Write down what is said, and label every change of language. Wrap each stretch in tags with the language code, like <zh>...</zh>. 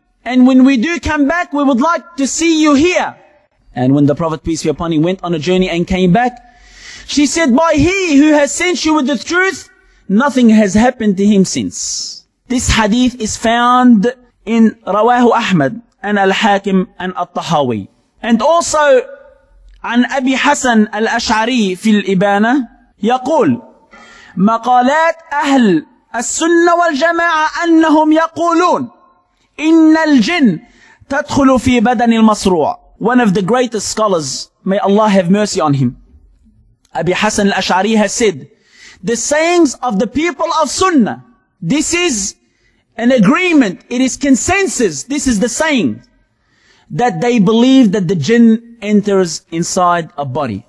<en>And when we do come back, we would like to see you here." And when the Prophet, peace be upon him, went on a journey and came back, she said, "By he who has sent you with the truth, nothing has happened to him since." This hadith is found in Rawahu Ahmad and Al-Hakim and Al-Tahawi. And also,</en> <ar>عن أبي حسن الأشعري في الإبانة يقول مقالات أهل السنة والجماعة أنهم يقولون إن الجن تدخل في بدن المصروع.</ar> <en>One of the greatest scholars, may Allah have mercy on him, Abi Hasan al-Ash'ari has said, "The sayings of the people of Sunnah, this is an agreement, it is consensus, this is the saying, that they believe that the jinn enters inside a body."</en>